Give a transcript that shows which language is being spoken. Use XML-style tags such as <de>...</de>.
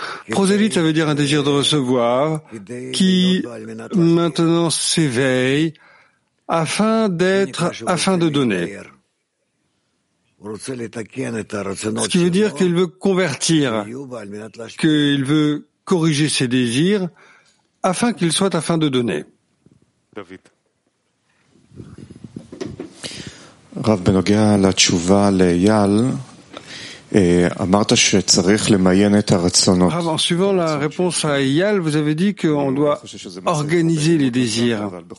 <fr>Prosélyte, ça veut dire un désir de recevoir qui maintenant s'éveille afin d'être, afin de donner. Ce qui veut dire qu'il veut convertir, qu'il veut corriger ses désirs afin qu'il soit afin de donner. David.</fr> <he>רב בנוגע לתשובה לאייל, אמרת שצריך למיין את הרצונות.</he> <fr>רב, en suivant la réponse à Eyal, vous avez dit qu'on doit organiser les désirs.</fr>